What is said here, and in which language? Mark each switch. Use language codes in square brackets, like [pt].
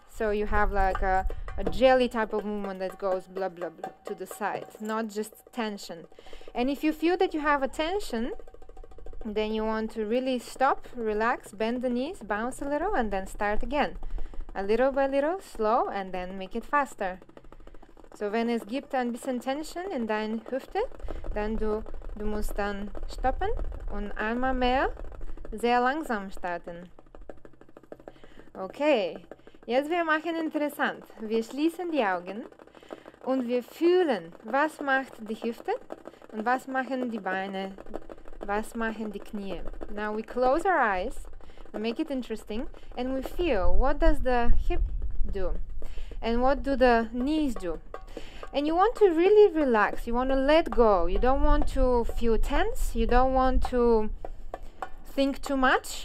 [en] So you have like a jelly type of movement that goes blah, blah, blah to the side, not just tension. And if you feel that you have a tension, then you want to really stop, relax, bend the knees, bounce a little and then start again. A little by little, slow and then make it faster. [de] So wenn es gibt ein bisschen Tension in deinen Hüften, dann du musst dann stoppen und einmal mehr sehr langsam starten. Okay, jetzt wir machen interessant. Wir schließen die Augen und wir fühlen, was macht die Hüfte und was machen die Beine, was machen die Knie. [en] Now we close our eyes, make it interesting, and we feel, what does the hip do and what do the knees do. And you want to really relax, you want to let go. You don't want to feel tense, you don't want to think too much.